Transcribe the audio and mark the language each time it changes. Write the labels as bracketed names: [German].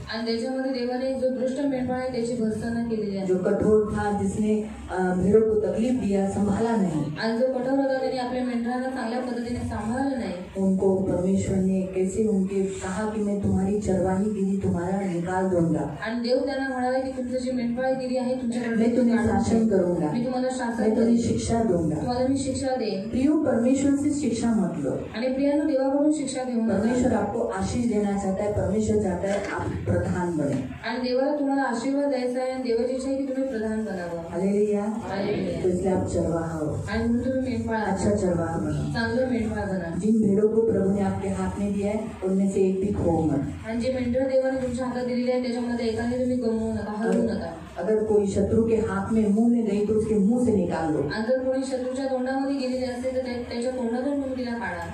[Marathi] आणि त्याच्यामध्ये देवाने जो दृष्ट मेंढपाळ आहे त्याची भर्सना केलेली आहे [Hindi] जो कठोर था जिसने भेड़ों को तकलीफ दिया संभाला नहीं [Marathi] आणि जो कठोर होता त्याने आपल्या मेंढरांना चांगल्या पद्धतीने सांभाळलं नाही [Hindi] उनको परमेश्वर ने कैसे उनके कहा कि मैं तुम्हारी चरवाही गिरी तुम्हारा निकाल दूंगा [Marathi] आणि देव त्यांना म्हणाला की तुमचं जे मेंढपाळ गिरी आहे तुमच्याकडे मी तुम्हाला शासन करूंगा मी तुम्हाला शासन मी तुम्हाला शिक्षा दूंगा तुम्हाला मी शिक्षा देईन [Hindi] प्रियो परमेश्वर से शिक्षा मत लो [Marathi] आणि प्रियानो देवाकडून शिक्षा घेऊ नका [Hindi] परमेश्वर आपको आशीष देना चाहता है परमेश्वर चाहता है आप प्रधान बने [Marathi] आणि देवाला तुम्हाला आशीर्वाद द्यायचा आहे आणि देवाची इच्छा आहे की तुम्ही प्रधान बनावं हालेलुया हालेलुया [Hindi] आप चरवाहा हो [Marathi] आणि तुम्ही मेंढपाळ [Hindi] अच्छा चरवाहा बनो [Marathi] चांगलं मेंढपाळ बना [Hindi] जिन भेड़ों को प्रभु ने आपके हाथ में दिया है उनमें से एक भी खो मत [Marathi] आणि जे मेंढर देवाने तुमच्या हातात दिलेले आहे त्याच्यामध्ये एकाने तुम्ही गमवू नका हरवू नका [Hindi] अगर कोई शत्रु के हाथ में मुंह में गई तो उसके मुंह से निकाल लो [Marathi] अगर कोई शत्रु का तोंडा मध्ये गेली जसे तर त्याच्या तोंडातून मुंह तिला काढा